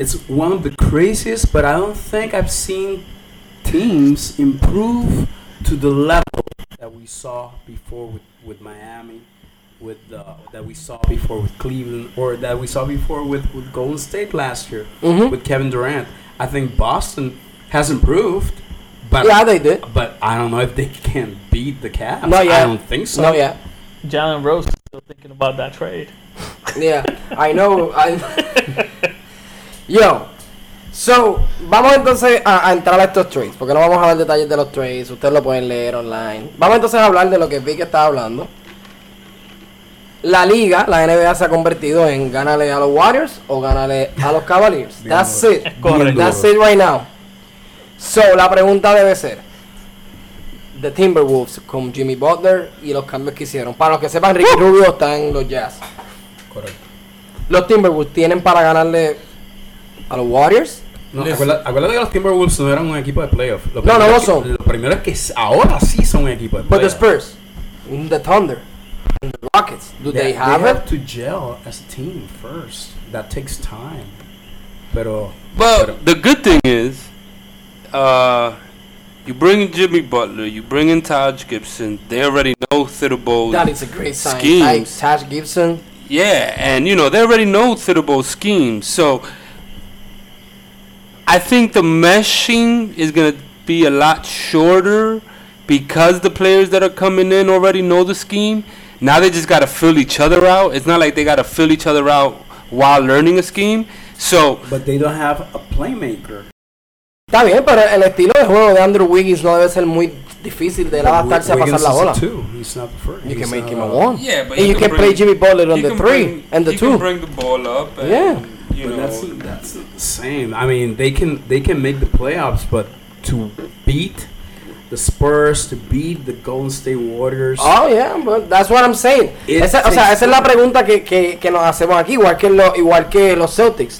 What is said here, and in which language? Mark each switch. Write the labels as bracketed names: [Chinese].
[English] It's one of the craziest, but I don't think I've seen teams improve to the level that we saw before with Miami, that we saw before with Cleveland, or that we saw before with Golden State last year with Kevin Durant. I think Boston has improved. But yeah, they did. But I don't know if they can beat the Cavs. Not yet. I don't think so. Not yet. Jalen Rose is still thinking about that trade. Yeah, I know. [Spanish] Yo, so vamos entonces a entrar a estos trades, porque no vamos a dar detalles de los trades. Ustedes lo pueden leer online. Vamos entonces a hablar de lo que Vic estaba hablando. La liga, la NBA, se ha convertido en gánale a los Warriors o gánale a los Cavaliers. [English] That's it. That's it right now. So, [Spanish] la pregunta debe ser: The Timberwolves con Jimmy Butler y los cambios que hicieron. Para los que sepan, Ricky Rubio está en los Jazz. Correcto. ¿Los Timberwolves tienen para ganarle a los Warriors? No, acuérdate que los Timberwolves no eran un equipo de playoff. No son. Lo primero es que ahora sí son un equipo de playoff. [English] But the Spurs, the Thunder, and the Rockets, do they have it? They have to gel as a team first. That takes time. [Spanish] Pero... [English] But the good thing is... You bring in Jimmy Butler, you bring in Taj Gibson, they already know Thibodeau's schemes. That is a great sign. Taj Gibson? Yeah, and you know, they already know Thibodeau's schemes. So, I think the meshing is going to be a lot shorter because the players that are coming in already know the scheme. Now they just got to fill each other out. It's not like they got to fill each other out while learning a scheme. So, but they don't have a playmaker. [Spanish] Está bien, pero el estilo de juego de Andrew Wiggins no debe ser muy difícil de adaptarse a pasar la bola. [English] You can make him a one. Yeah, and you can play Jimmy Butler on the three and the two. You can bring the ball up. And, yeah. You but that's the same. I mean, they can make the playoffs, but to beat the Spurs to beat the Golden State Warriors. Oh, yeah, but that's what I'm saying. [Spanish] Esa es la pregunta que nos hacemos aquí, igual que los Celtics.